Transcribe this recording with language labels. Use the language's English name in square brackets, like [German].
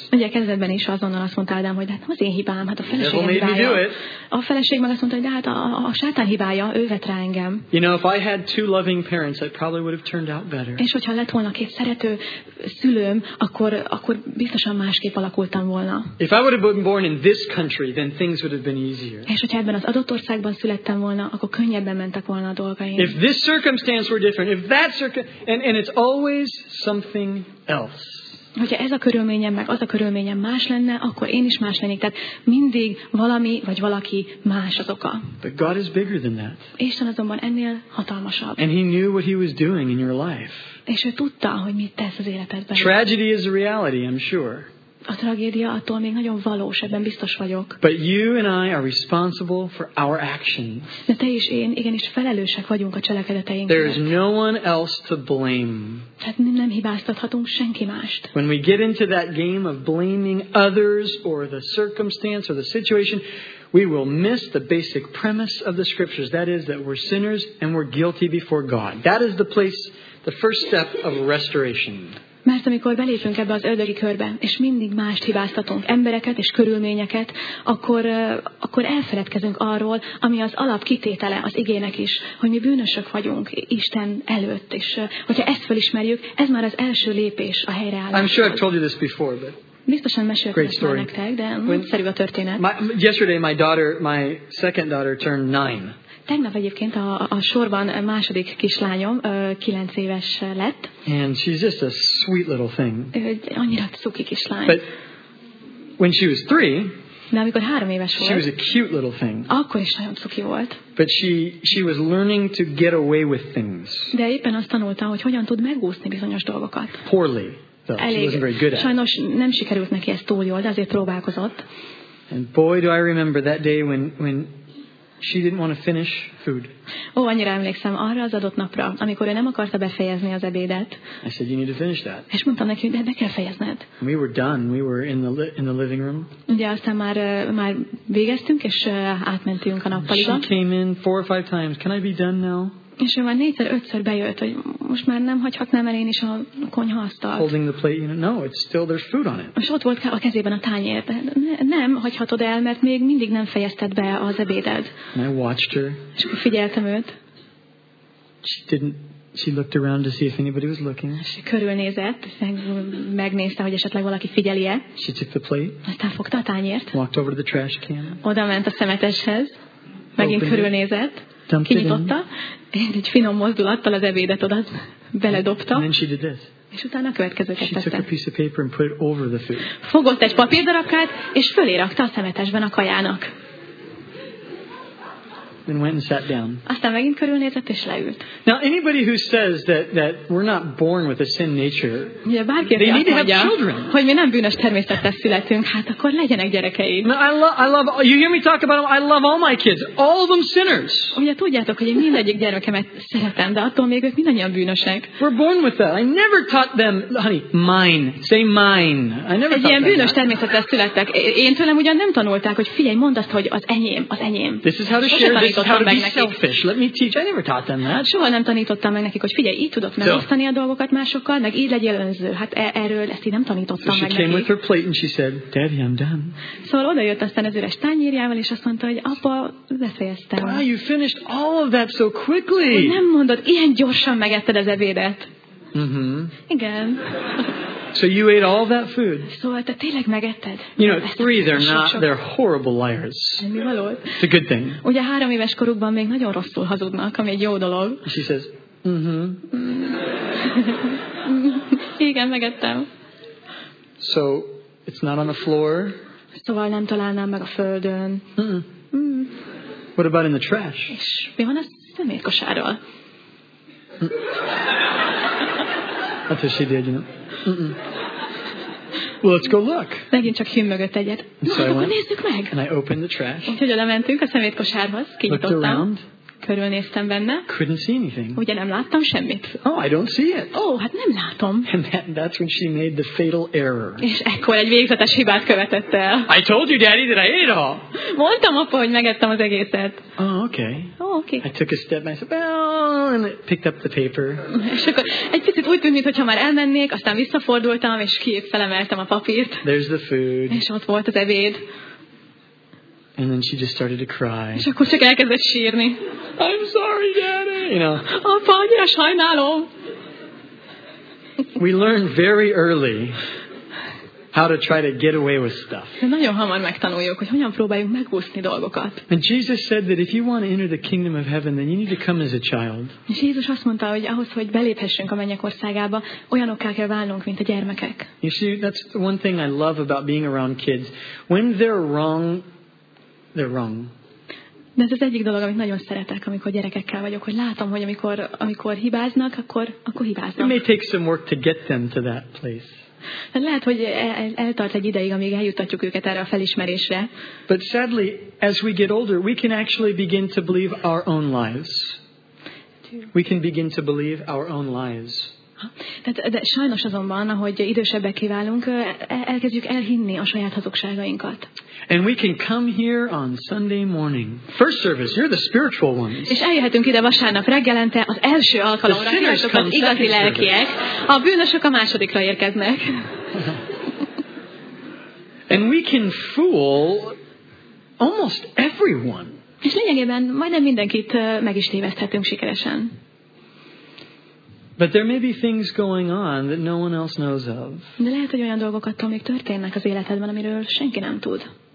[Hungarian] Ugye kezdetben is azonnal azt mondta Ádám, hogy hát nem az én hibám, hát a feleségem hibája. [English] Made me do it. [Hungarian] A feleség meg azt mondta, hogy de hát a sátán hibája, ő vett rá engem. [English] You know, if I had two loving parents, it probably would have turned out better. [Hungarian] És hogyha lett volna két szeret szülőm, akkor biztosan másképp alakultam volna. [English] If I would have been born in this country, then things would have been easier. [Hungarian] És hogyha ebben az adott országban születtem volna, akkor könnyebben mentek volna a dolgaim. [English] If this circumstance were different, if that and it's always something else. [Hungarian] Hogyha ez a körülményem meg az a körülményem más lenne, akkor én is más lennék. Tehát mindig valami vagy valaki más az oka. [English] But God is bigger than that. [Hungarian] Isten azonban ennél hatalmasabb. [English] And He knew what He was doing in your life. [Hungarian] És ő tudta, hogy mit tesz az életedben. [English] Tragedy is a reality, I'm sure. [Hungarian] A tragédia attól még nagyon valós, ebben biztos vagyok. [English] But you and I are responsible for our actions. [Hungarian] De te és én igenis felelősek vagyunk a cselekedeteinkért. [English] There is no one else to blame. [Hungarian] Tehát nem hibáztathatunk senki mást. [English] When we get into that game of blaming others or the circumstance or the situation, we will miss the basic premise of the scriptures. That is that we're sinners and we're guilty before God. That is the place, the first step of restoration. [Hungarian] Mert amikor belépünk ebbe az ördögi körbe, és mindig mást hibáztatunk, embereket és körülményeket, akkor elfeledkezünk arról, ami az alap kitétele az igének is, hogy mi bűnösök vagyunk Isten előtt, és hogyha ezt felismerjük, ez már az első lépés a helyreállásra. [English] I'm sure I've told you this before, but [Hungarian] biztosan meséltem ezt már nektek, de nagyszerű a történet. [English] Yesterday my second daughter turned 9. [Hungarian] Tegnap egyébként a sorban második kislányom 9 éves lett. [English] And she's just a sweet little thing. [Hungarian] Annyira cuki kislány. [English] But when she was 3, [Hungarian] de amikor 3 éves volt, [English] she was a cute little thing. [Hungarian] Akkor is nagyon cuki volt. [English] But she was learning to get away with things. [Hungarian] De éppen azt tanulta, hogy hogyan tud megúszni bizonyos dolgokat. [English] Poorly, though. [Hungarian] Elég. [English] She wasn't very good at. [Hungarian] Sajnos nem sikerült neki ezt túl jól, de azért próbálkozott. [English] And boy, do I remember that day when she didn't want to finish food. [Hungarian] Annyira emlékszem arra az adott napra, amikor ő nem akarta befejezni az ebédet. [English] I said, you need to finish that. [Hungarian] És mondtam neki, de be kell fejezned. [English] We were done. We were in the living room. [Hungarian] Ugye aztán már végeztünk, és átmentünk a nappaliba. [English] She came in 4 or 5 times. Can I be done now? [Hungarian] És ő már 4-5-ször bejött, hogy most már nem hagyhatnám el én is a konyhaasztalt. [English] Holding the plate, you know, no, it's still there's food on it. [Hungarian] És ott volt a kezében a tányér, de nem hagyhatod el, mert még mindig nem fejezted be az ebéded. [English] And I watched her. [Hungarian] És akkor figyeltem őt. [English] She looked around to see if anybody was looking. She [Hungarian] körülnézett, megnézte, hogy esetleg valaki figyeli-e. [English] She took the plate. [Hungarian] Aztán fogta a tányért. [English] Walked over to the trash can. [Hungarian] Oda ment a szemeteshez. Megint körülnézett. Kinyitotta, és egy finom mozdulattal az ebédet oda beledobta. És utána a következőket tette. Fogott egy papírdarabkát, és fölé rakta a szemetesben a kajának. [English] And went and sat down. [Hungarian] Aztán megint körülnézett és leült. [English] Now anybody who says that we're not born with a sin nature, [Hungarian] yeah, bárki [English] they need [Hungarian] mondja, [English] to have children. [Hungarian] Hogy mi nem bűnös természettel születünk, hát akkor legyenek gyerekeid. [English] Now, I love you hear me talk about them. I love all my kids. All of them sinners. [Hungarian] Ugye tudjátok, hogy én mindegyik gyermekemet szeretem, de attól még ők mindannyian bűnösek. [English] We're born with that. I never taught them, honey, mine. Say mine. I never. [Hungarian] Egy ilyen bűnös természettel születtek. Én tőlem ugyan nem tanulták, hogy figyelj, mondd azt, hogy az enyém. [English] This is how to share. This is how to be selfish. Let me teach. I never taught them that. [Hungarian] Soha nem tanítottam meg nekik, hogy figyelj, így tudok megosztani a dolgokat másokkal, meg így legyél önző. Hát erről ezt így nem tanítottam meg nekik. [English] She came with her plate and she said, Daddy, I'm done. [Hungarian] Szóval odajött aztán az üres tányérjával, és azt mondta, hogy apa, befejeztem. [English] Wow, you finished all of that so quickly. [Hungarian] Nem mondod, ilyen gyorsan megetted az ebédet. Mm-hmm. Igen. [English] So you ate all that food. [Hungarian] Szóval te tényleg megetted? [English] You know, 3, they're horrible liars. [Hungarian] Mi valód? [English] It's a good thing. [Hungarian] Ugye 3 éves korukban még nagyon rosszul hazudnak, ami egy jó dolog. [English] She says, mm-hmm. [Hungarian] Igen, megettem. [English] So, it's not on the floor. [Hungarian] szóval nem találnám meg a földön. [English] What about in the trash? [Hungarian] És mi van a szemétkosárral? [English] That's what she did, you know. Well, let's go look. [Hungarian] Megint csak hűn mögött egyet. [English] So [Hungarian] akkor nézzük meg. [English] And I opened the trash. [Hungarian] Úgyhogy lementünk a szemétkosárhoz, kinyitottam. [English] Looked around. [Hungarian] Körülnéztem benne. [English] Couldn't see anything. [Hungarian] Ugye nem láttam semmit. [English] Oh, I don't see it. [Hungarian] Oh, hát nem látom. [English] And that's when she made the fatal error. [Hungarian] És ekkor egy végzetes hibát követett el. [English] I told you, Daddy, that I ate it all. [Hungarian] Mondtam apa, hogy megettem az egészet. [English] Oh, okay. Oh, okay. I took a step and I said, well, and it picked up the paper. [Hungarian] És akkor egy picit úgy tűnt, mintha már elmennék, aztán visszafordultam, és felemeltem a papírt. [English] There's the food. [Hungarian] És ott volt az ebéd. [English] And then she just started to cry. [Hungarian] És akkor csak elkezdett sírni. [English] I'm sorry, Daddy. You know. [Hungarian] Apa, annyira sajnálom. [English] We learn very early how to try to get away with stuff. [Hungarian] De nagyon hamar megtanuljuk, hogy hogyan próbáljuk megúszni dolgokat. [English] And Jesus said that if you want to enter the kingdom of heaven, then you need to come as a child. [Hungarian] És Jézus azt mondta, hogy ahhoz, hogy beléphessünk a mennyek országába, olyanokká kell válnunk, mint a gyermekek. [English] You see, that's the one thing I love about being around kids. When they're wrong, they're wrong. [Hungarian] De ez az egyik dolog, amit nagyon szeretek, amikor gyerekekkel vagyok, hogy látom, hogy amikor hibáznak, akkor hibáznak. [English] It may take some work to get them to that place. [Hungarian] De lehet, hogy eltart egy ideig, amíg eljuttatjuk őket erre a felismerésre. [English] But sadly, as we get older, we can actually begin to believe our own lies. We can begin to believe our own lies. [Hungarian] De sajnos azonban, ahogy idősebbekké válunk, elkezdjük elhinni a saját hazugságainkat. [English] And we can come here on Sunday morning. First service, you're the spiritual ones. [Hungarian] És eljöhetünk ide vasárnap reggelente az első alkalomra, hogy az igazi lelkiek, a bűnösök a másodikra érkeznek. [English] And we can fool almost everyone. [Hungarian] És lényegében majdnem mindenkit meg is téveszthetünk sikeresen. [English] But there may be things going on that no one else knows of. [Hungarian] De lehet, hogy olyan dolgokat még történnek az életedben, amiről senki nem tud.